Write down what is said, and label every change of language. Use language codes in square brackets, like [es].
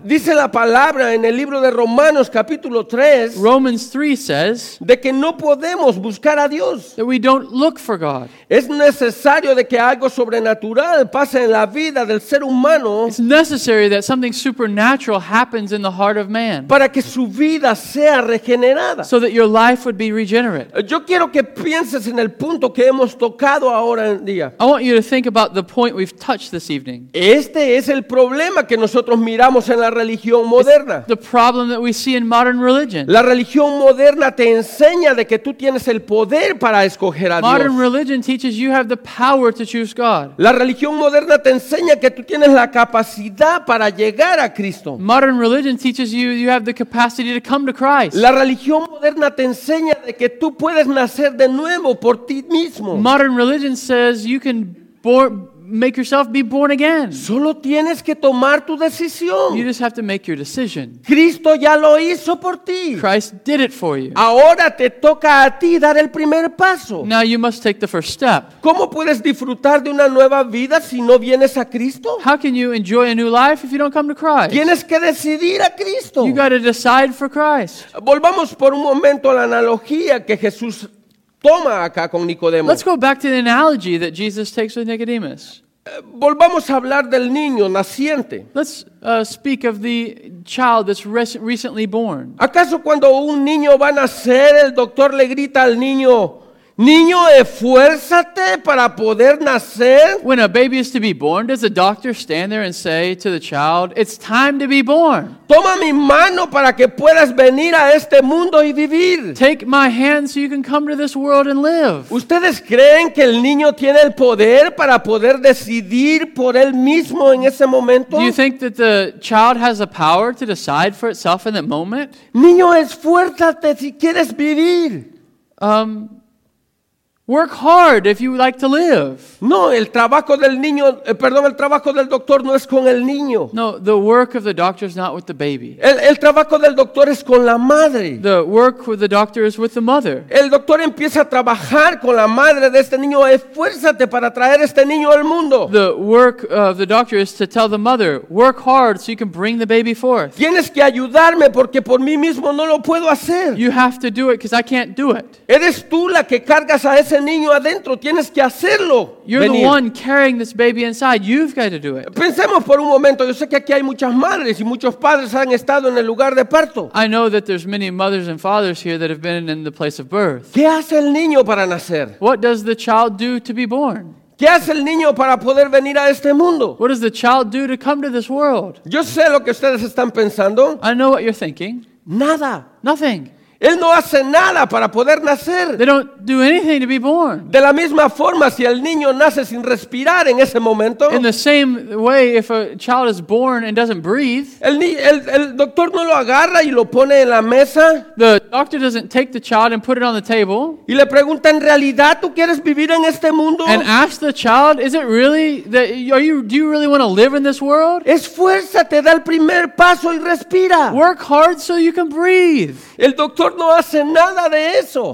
[es] Dice la palabra en el libro de Romanos capítulo 3, [en] Romans 3 says, [es] de que no podemos buscar a Dios. [en] That we don't look for God. [es] Es necesario de que algo sobrenatural pase en la vida del ser humano. [en] It's necessary that something supernatural happens in the heart of man. [es] Para que su vida sea regenerada. [en] So that your life would be regenerate. [es] Yo quiero que pienses en el punto que hemos tocado ahora en día. [en] I want you to think about the point we've touched this evening. [es] Este es el problema que nosotros miramos en la religión moderna. [en] It's the problem that we see in modern religion. [es] La religión moderna te enseña de que tú tienes el poder para escoger a Dios. [en] Modern religion teaches you have the power to choose God. [es] La religión moderna te enseña que tú tienes la capacidad para llegar a Cristo. [en] Modern religion teaches you you have the capacity to come to Christ. [es] La religión moderna te enseña de que tú puedes nacer de nuevo por ti mismo. [en] Modern religion says you can make yourself be born again. [es] Solo tienes que tomar tu decisión. [en] You just have to make your decision. [es] Cristo ya lo hizo por ti. [en] Christ did it for you. [es] Ahora te toca a ti dar el primer paso. [en] Now you must take the first step. [es] ¿Cómo puedes disfrutar de una nueva vida si no vienes a Cristo? [en] How can you enjoy a new life if you don't come to Christ? [es] Tienes que decidir a Cristo. [en] You got to decide for Christ. [es] Volvamos por un momento a la analogía que Jesús toma acá con Nicodemo. [en] Let's go back to the analogy that Jesus takes with Nicodemus. [es] Volvamos a hablar del niño naciente. [en] Let's speak of the child that's recently born. [es] ¿Acaso cuando un niño va a nacer, el doctor le grita al niño, niño, esfuérzate para poder nacer? [en] When a baby is to be born, does the doctor stand there and say to the child, it's time to be born? [es] Toma mi mano para que puedas venir a este mundo y vivir. [en] Take my hand so you can come to this world and live. [es] ¿Ustedes creen que el niño tiene el poder para poder decidir por él mismo en ese momento? [en] Do you think that the child has the power to decide for itself in that moment? [es] Niño, esfuérzate si quieres vivir. [en] Work hard if you would like to live. [es] No, el trabajo del niño, el trabajo del doctor no es con el niño. [en] No, the work of the doctor is not with the baby. [es] El trabajo del doctor es con la madre. [en] The work with the doctor is with the mother. [es] El doctor empieza a trabajar con la madre de este niño, esfuérzate para traer este niño al mundo. [en] The work of the doctor is to tell the mother, work hard so you can bring the baby forth. [es] Tienes que ayudarme porque por mí mismo no lo puedo hacer. [en] You have to do it because I can't do it. [es] Eres tú la que cargas a ese niño adentro, tienes que hacerlo. [en] You're venir. The one carrying this baby inside. You've got to do it. [es] Pensemos por un momento. Yo sé que aquí hay muchas madres y muchos padres han estado en el lugar de parto. [en] I know that there's many mothers and fathers here that have been in the place of birth. [es] ¿Qué hace el niño para nacer? [en] What does the child do to be born? [es] ¿Qué hace el niño para poder venir a este mundo? [en] What does the child do to come to this world? [es] Yo sé lo que ustedes están pensando. [en] I know what you're thinking. [es] Nada. [en] Nothing. [es] Él no hace nada para poder nacer. [en] They don't do anything to be born. [es] De la misma forma, si el niño nace sin respirar en ese momento, [en] in the same way, if a child is born and doesn't breathe, [es] el doctor no lo agarra y lo pone en la mesa. [en] The doctor doesn't take the child and put it on the table. [es] Y le pregunta, ¿en realidad tú quieres vivir en este mundo? [en] And ask the child, is it really that do you really want to live in this world? [es] Esfuérzate, da el primer paso y respira. [en] Work hard so you can breathe. [es] El doctor no hace nada de eso.